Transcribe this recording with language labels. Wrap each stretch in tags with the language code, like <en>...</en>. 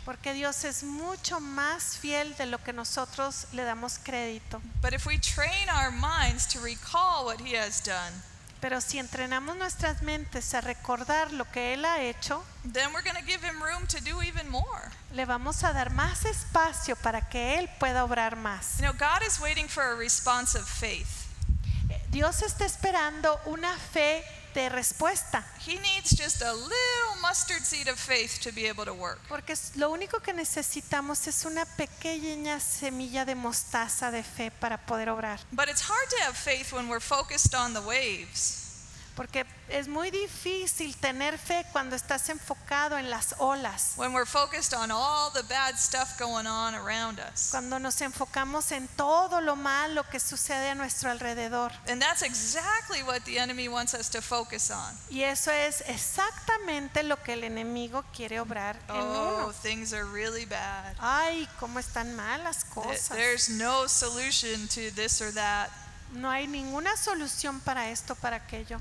<es>Porque Dios es mucho más fiel de lo que nosotros le damos crédito.</es> <en>But if we train our minds to recall what he has done,</en> <es>pero si entrenamos nuestras mentes a recordar lo que Él ha hecho,</es> <en>then we're going to give him room to do even more.</en> <es>Le vamos a dar más espacio para que Él pueda obrar más.</es> <en>You know, God is waiting for a response of faith.</en> <es>Dios está esperando una fe de respuesta.</es> <en>He needs just a little mustard seed of faith to be able to work.</en> <es>Porque lo único que necesitamos es una pequeña semilla de mostaza de fe para poder obrar.</es> <en>But it's hard to have faith when we're focused on the waves.</en> <es>Porque es muy difícil tener fe cuando estás enfocado en las olas.</es> <en>When we're focused on all the bad stuff going on around us.</en> <es>Cuando nos enfocamos en todo lo malo que sucede a nuestro alrededor.</es> <en>And that's exactly what the enemy wants us to focus on.</en> <es>Y eso es exactamente lo que el enemigo quiere obrar en uno.</es> <en>Oh, things are really bad.</en> <es>Ay, cómo están mal las cosas.</es> <en>There's no solution to this or that.</en> <es>No hay ninguna solución para esto, para aquello.</es>